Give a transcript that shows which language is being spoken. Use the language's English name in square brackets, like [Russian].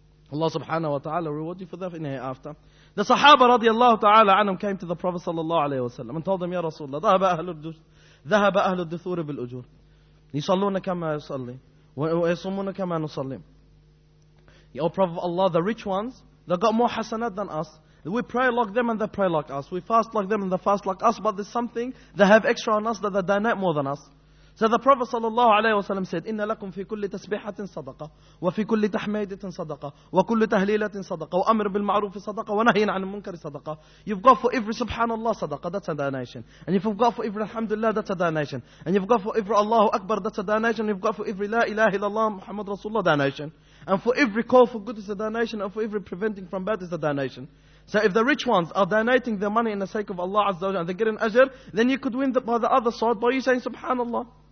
[English] Allah subhanahu wa ta'ala will reward you for that in the hereafter. The Sahaba radiallahu ta'ala anhum came to the Prophet sallallahu alayhi wa sallam and told him, Ya Rasulullah, [Arabic] ذهب أهل الدثور ذهب أهل الدثور بالأجور يصلون كما يصلي ويصومون كما نصلي. [English] O Prophet of Allah, the rich ones, they got more hasanat than us. We pray like them and they pray like us. We fast like them and they fast like us. But there's something they have extra on us that they donate more than us. So the Prophet [Arabic] sallallahu alayhi wa sallam [English] said, [Arabic] إِنَّ لَكُمْ فِي كُلِّ تَسْبِحَةٍ صَدَقَةٍ وَفِي كُلِّ تَحْمَيْدِةٍ صَدَقَةٍ وَكُلِّ تَهْلِيلَةٍ صَدَقَةٍ وَأَمْرٍ بِالْمَعْرُوفِ صَدَقَةٍ وَنَهْيٍ عَنِ الْمُنْكَرِ صَدَقَةٍ. [English] You've got for every subhanallah sadaqah, that's a donation. And if you've got for every alhamdulillah, that's a donation. And you've got for every Allahu Akbar, that's a donation. And you've got for every la ilaha illallah Muhammad Rasulullah, donation. And for every call for good is a donation. And for every preventing from bad is a donation. So if the rich ones are donating their money in the sake of Allah Azza wa Jalla and they get an ajr, then you could win by the other side by you saying subhanallah.